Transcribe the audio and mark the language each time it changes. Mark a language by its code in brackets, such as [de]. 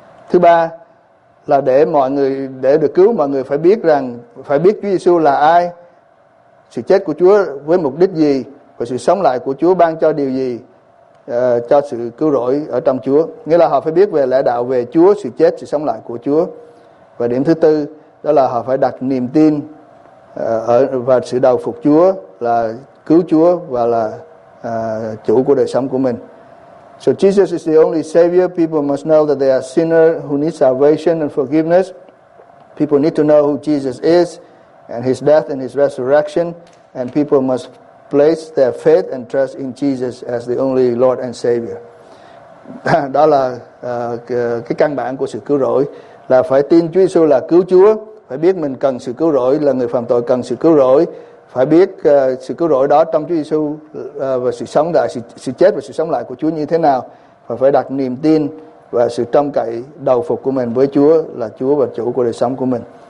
[vi] Thứ ba là để được cứu mọi người phải biết Chúa Giêsu là ai, sự chết của Chúa với mục đích gì và sự sống lại của Chúa ban cho điều gì cho sự cứu rỗi ở trong Chúa. Nghĩa là họ phải biết về lẽ đạo về Chúa, sự chết, sự sống lại của Chúa. Và điểm thứ tư đó là họ phải đặt niềm tin và sự đầu phục Chúa là cứu Chúa và là chủ của đời sống của mình. [en] So Jesus is the only Savior. People must know that they are sinners who need salvation and forgiveness. People need to know who Jesus is and his death and his resurrection. And people must place their faith and trust in Jesus as the only Lord and Savior. [vi] Đó là cái căn bản của sự cứu rỗi, là phải tin Chúa Giêsu là cứu Chúa, phải biết mình cần sự cứu rỗi, là người phạm tội cần sự cứu rỗi, phải biết sự cứu rỗi đó trong Chúa Giêsu và sự sống lại, sự chết và sự sống lại của Chúa như thế nào, và phải đặt niềm tin và sự trông cậy đầu phục của mình với Chúa là Chúa và chủ của đời sống của mình.